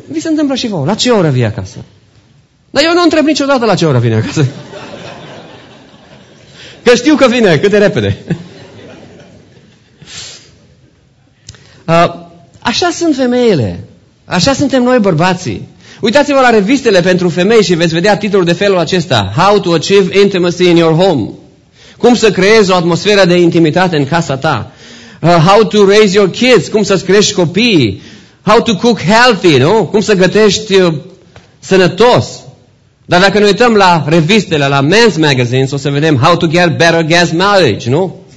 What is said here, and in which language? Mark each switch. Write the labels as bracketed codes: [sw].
[ro] Vi se întâmplă și vouă. La ce oră vii acasă? Dar eu nu întreb niciodată la ce oră vine acasă. Că știu că vine, cât de repede. Așa sunt femeile. Așa suntem noi bărbații. Uitați-vă la revistele pentru femei și veți vedea titlul de felul acesta. [en] How to achieve intimacy in your home. [ro] Cum să creezi o atmosferă de intimitate în casa ta. [en] How to raise your kids. [ro] Cum să-ți crești copiii. [en] How to cook healthy, nu? [ro] Cum să gătești sănătos. Dar dacă ne uităm la revistele, la [en] men's magazines, [ro] o să vedem [en] how to get better gas mileage, [ro] nu?